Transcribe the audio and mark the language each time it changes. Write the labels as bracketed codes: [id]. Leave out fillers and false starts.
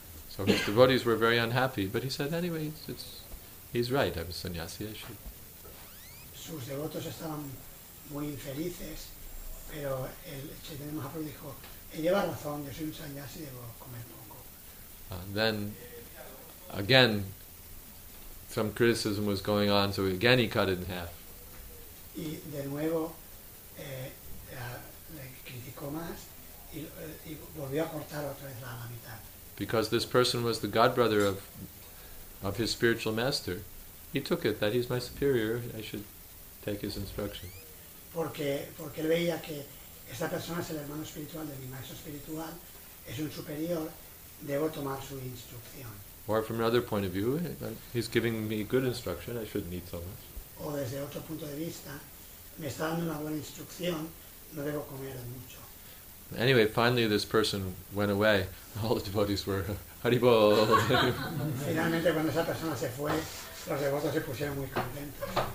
[en] So his devotees were very unhappy, but he said, anyway, he's right. I'm a sannyasi. I should. [es] Sus devotos estaban muy infelices, pero el Chaitanya Mahaprabhu dijo, él lleva razón, yo soy un sannyasi, debo comer poco. [en] Then, again, some criticism was going on, so again he cut it in half. [es] Y de nuevo, le criticó más, y volvió a cortar otra vez la mitad. [en] Because this person was the godbrother of his spiritual master, he took it that he's my superior, I should take his instruction. [es] Porque él veía que esta persona es el hermano espiritual de mi maestro espiritual, es un superior, debo tomar su instrucción. [en] Or from another point of view, he's giving me good instruction, I shouldn't eat so much. [es] O desde otro punto de vista, me está dando una buena instrucción, no debo comer mucho. [en] Anyway, finally this person went away. All the devotees were haribol. [es] Finalmente cuando esa persona se fue, los devotos se pusieron muy contentos.